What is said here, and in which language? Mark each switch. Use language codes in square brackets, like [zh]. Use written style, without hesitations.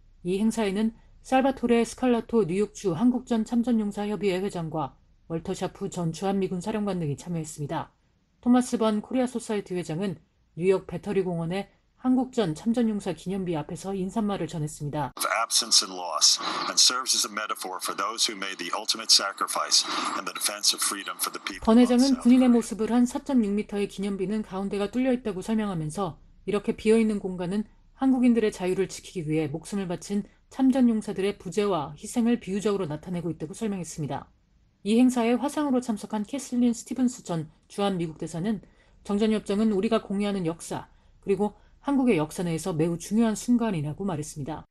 [ko] 이 행사에는 살바토레 스칼라토 뉴욕주 한국전 참전용사협의회 회장과 월터 샤프 전 주한미군 사령관 등이 참여했습니다. 토마스 번 코리아 소사이어티 회장은 뉴욕 배터리 공원에 한국전 참전용사 기념비 앞에서 인사말을 전했습니다. [en] Absence and loss and serves as a metaphor for those who made the ultimate sacrifice and the defense of freedom for the people. [ko] 권 회장은 군인의 모습을 한 4.6m의 기념비는 가운데가 뚫려 있다고 설명하면서 이렇게 비어 있는 공간은 한국인들의 자유를 지키기 위해 목숨을 바친 참전용사들의 부재와 희생을 비유적으로 나타내고 있다고 설명했습니다. 이 행사에 화상으로 참석한 캐슬린 스티븐스 전 주한미국 대사는 정전협정은 우리가 공유하는 역사, 그리고 한국의 역사 내에서 매우 중요한 순간이라고 말했습니다.